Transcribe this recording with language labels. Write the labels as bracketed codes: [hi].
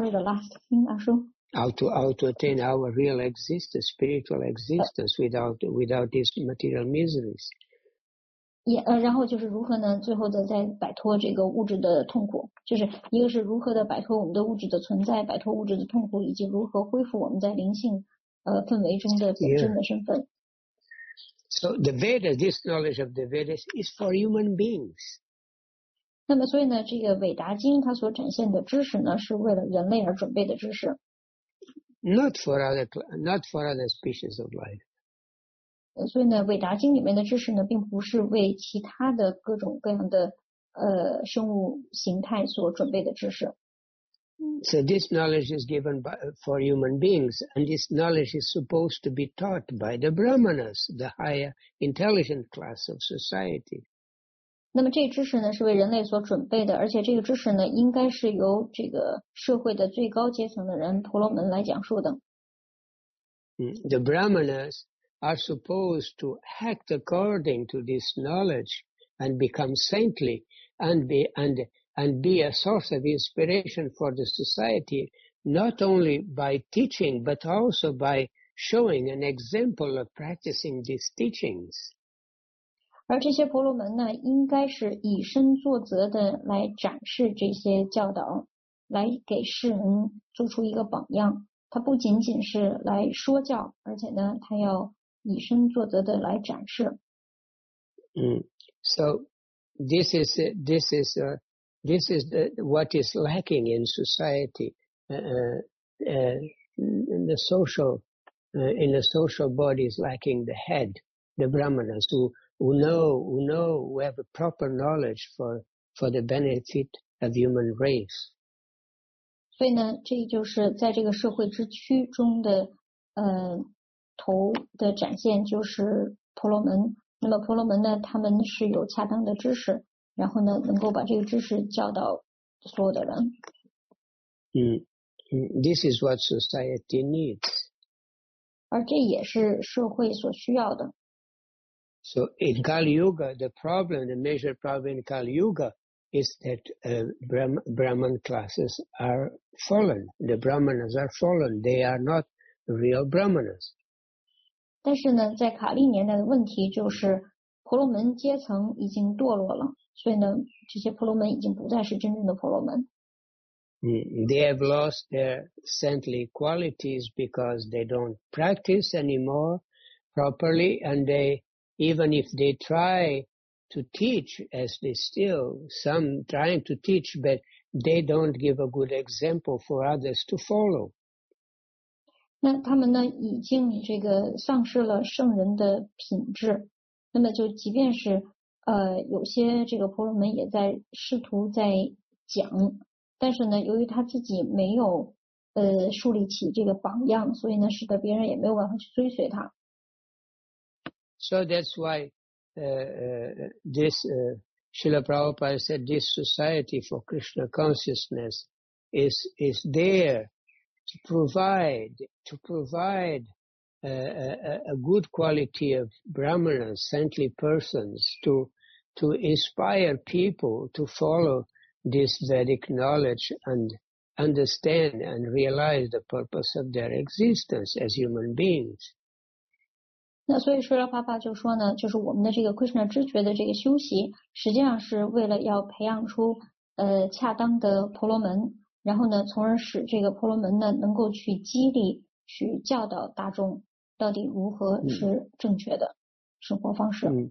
[en] How to attain our real existence, spiritual existence without these material miseries. [zh] 然后就是如何呢？最后的再摆脱这个物质的痛苦，就是一个是如何的摆脱我们的物质的存在，摆脱物质的痛苦，以及如何恢复我们在灵性氛围中的本真的身份。 [en] So the Vedas, this knowledge of the Vedas is for human beings. [zh] 那么所以呢，这个伟达经它所展现的知识呢，是为了人类而准备的知识。 [en] Not for other species of life. [zh] 所以呢，伟达经里面的知识呢，并不是为其他的各种各样的生物形态所准备的知识。 [en] So this knowledge is given for human beings, and this knowledge is supposed to be taught by the Brahmanas, the higher intelligent class of society. [zh] 那么这个知识呢是为人类所准备的，而且这个知识呢应该是由这个社会的最高阶层的人婆罗门来讲述的。 [en] The Brahmanas are supposed to act according to this knowledge and become saintly and be a source of inspiration for the society, not only by teaching but also by showing an example of practicing these teachings. [zh] 而这些婆罗门呢，应该是以身作则的来展示这些教导，来给世人做出一个榜样。他不仅仅是来说教，而且呢，他要以身作则的来展示。 [en] So this is the what is lacking in society, in the social body is lacking the head, the Brahmanas who have a proper knowledge for the benefit of human race. [zh] 所以呢，这就是在这个社会之躯中的头的展现，就是婆罗门。那么婆罗门呢，他们是有恰当的知识，然后呢，能够把这个知识教导所有的人。 [en] This is what society needs. [zh] 而这也是社会所需要的。 [en] So in Kali Yuga, the major problem in Kali Yuga is that Brahman classes are fallen. The Brahmanas are fallen. They are not real Brahmanas. [zh] 但是呢，在卡利年代的问题就是婆罗门阶层已经堕落了，所以呢，这些婆罗门已经不再是真正的婆罗门。 [en] They have lost their saintly qualities because they don't practice anymore properly, and they. Even if they try to teach, as they still some trying to teach, but they don't give a good example for others to follow. [zh] 那他们呢已经这个丧失了圣人的品质，那么就即便是有些这个婆罗门也在试图在讲，但是呢由于他自己没有树立起这个榜样，所以呢使得别人也没有办法去追随他。 [en] So that's why this Srila Prabhupada said this society for Krishna consciousness is there to provide a good quality of Brahmanas, saintly persons, to inspire people to follow this Vedic knowledge and understand and realize the purpose of their existence as human beings. [zh] 那所以说了，爸爸就说呢，就是我们的这个 Krishna 知觉的这个修习，实际上是为了要培养出恰当的婆罗门，然后呢，从而使这个婆罗门呢能够去激励、去教导大众到底如何是正确的生活方式。